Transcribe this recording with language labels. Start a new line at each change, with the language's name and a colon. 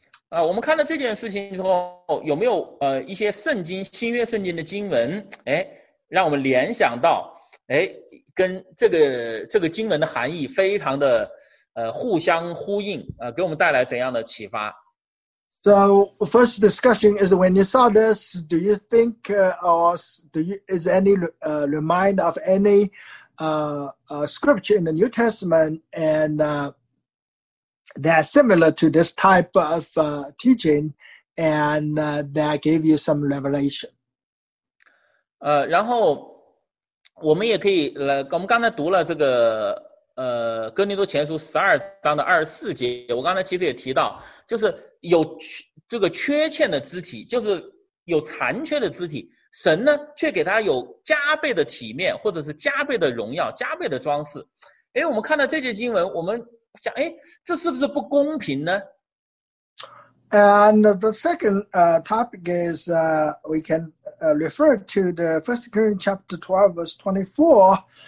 Chinese: 我们看到这件事情之后，有没有一些圣经新约圣经的经文，让我们联想到哎，跟这个经文的含义非常的互相呼应，给我们带来怎样的启发？
English: So first discussion is when you saw this, do you think is any remind of any scripture in the New Testament and that's similar to this type of teaching and that gave you some revelation?
Chinese: 然后我们也可以我们刚才读了这个哥林多前书十二章的二十四节，我刚才其实也提到，就是有这个缺欠的肢体，就是有残缺的肢体，神呢却给他有加倍的体面，或者是加倍的荣耀，加倍的装饰。哎，我们看到这节经文，我们想，哎，这是不是不公平呢？
English: And the second topic is we can refer to the First Corinthians chapter 12 verse 24.